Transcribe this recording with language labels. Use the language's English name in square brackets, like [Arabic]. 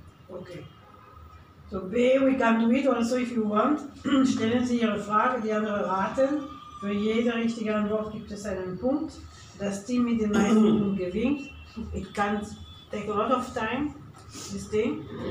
[English] Okay. So B, we can do it also if you want. [German] Stellen Sie Ihre Frage, die andere raten. Für jede richtige Antwort gibt es einen Punkt. Das Team mit den meisten Punkten gewinnt. [English] It can take a lot of time, this thing.